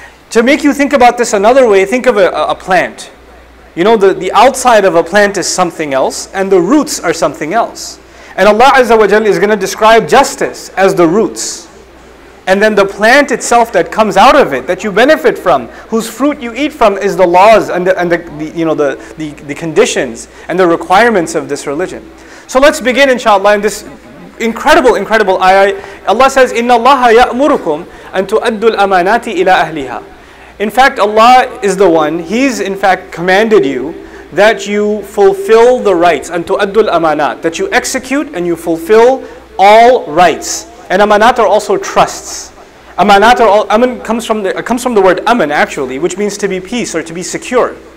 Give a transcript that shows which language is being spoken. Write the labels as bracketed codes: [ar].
[en] To make you think about this another way, think of a plant. You know, the outside of a plant is something else and the roots are something else. And Allah Azza wa Jal is going to describe justice as the roots. And then the plant itself that comes out of it, that you benefit from, whose fruit you eat from, is the laws and the conditions and the requirements of this religion. So let's begin, inshallah, in this incredible, incredible ayah. [ar] Allah says, إِنَّ اللَّهَ يَأْمُرُكُمْ أَن تُؤَدُّ الْأَمَانَاتِ إِلَىٰ أَهْلِهَا. [en] In fact, Allah is the one, He's in fact commanded you that you fulfill the rights, أَن تُؤَدُّ الْأَمَانَاتِ, that you execute and you fulfill all rights. And amanat are also trusts. Amanat are all, aman comes from the word aman actually, which means to be peace or to be secure.